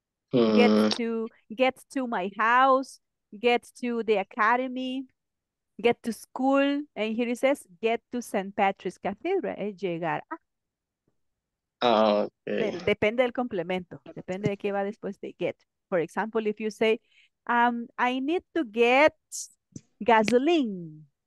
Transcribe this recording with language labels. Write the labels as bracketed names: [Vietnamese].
[English] Get to my house, get to the academy, get to school, and here it says get to St. [Spanish] Patrick's Cathedral, es llegar a. [English] Okay. [Spanish] Depende del complemento, depende de qué va después de get. [English] For example, if you say, I need to get gasoline.